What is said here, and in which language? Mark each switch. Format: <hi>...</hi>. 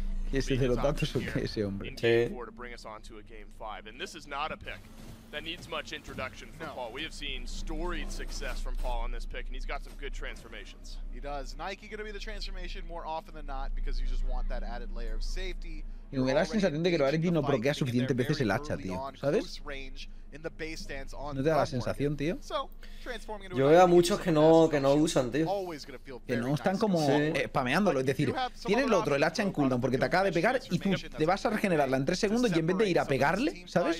<es>¿Qué es el de los datos o qué es ese hombre? Sí.</es> <en>That needs much introduction from Paul. We have seen storied success from Paul on this pick, and he's got some good transformations. He does. Nike gonna be the transformation more often than not because you just want that added layer of safety.</en> <es>Y me da la sensación de que Loarity no proquea suficientes veces el hacha, tío, ¿sabes? ¿No te da la sensación, tío? Yo veo a muchos que no usan, tío. Que no están como spameándolo, es decir, tienes lo otro, el hacha en cooldown, porque te acaba de pegar y tú te vas a regenerarla en 3 segundos y en vez de ir a pegarle, ¿sabes?</es>